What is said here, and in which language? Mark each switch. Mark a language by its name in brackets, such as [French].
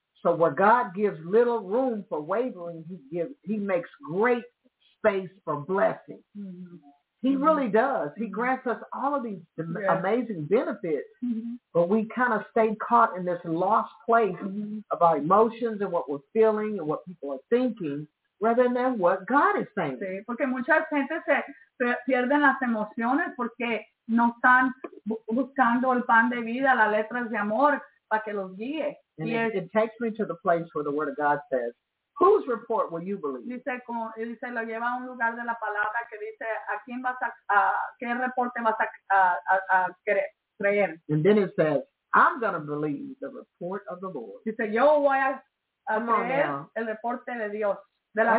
[English] So where God gives little room for wavering, he makes great space for blessing. Mm-hmm. He mm-hmm. really does. He grants us all of these yeah. amazing benefits, mm-hmm. but we kind of stay caught in this lost place mm-hmm. of our emotions and what we're feeling and what people are thinking, rather than what God is saying. [Spanish] Sí, porque mucha gente se pierden las emociones porque no están buscando el pan de vida, las letras de amor para que los guíe. [English] And yes. it takes me to the place where the word of God says, whose report will you believe? [Spanish] Dice, como, dice, lo lleva a un lugar de la palabra que dice, ¿a quién vas a, qué reporte vas a creer? [English] And then it says, I'm going to believe the report of the Lord. [Spanish] Dice, yo voy a creer el reporte de Dios, de la